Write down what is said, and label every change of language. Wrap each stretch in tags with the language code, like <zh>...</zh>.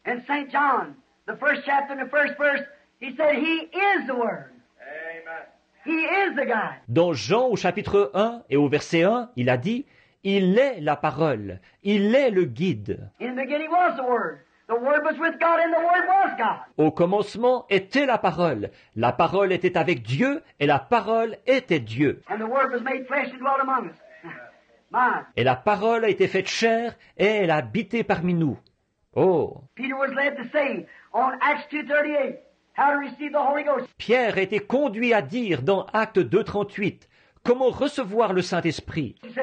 <en>And Saint John, the first chapter and the first verse, he said he is the word. Amen. He is the God.</en> <fr>Dans Jean au chapitre 1 et au verset 1, il a dit, il est la parole, il est le guide.</fr> <en>In the beginning was the word. The word was with God and the word was God.</en> <fr>Au commencement était la parole. La parole était avec Dieu et la parole était Dieu.</fr> <en>And the word was made flesh and dwelt among us.</en> <fr>Et la parole a été faite chair et elle a habité parmi nous. Oh.</fr> <en>Peter was led to say on Acts 2:38 how to receive the Holy Ghost.</en> <fr>Pierre a été conduit à dire dans Actes 2:38 comment recevoir le Saint-Esprit.</fr>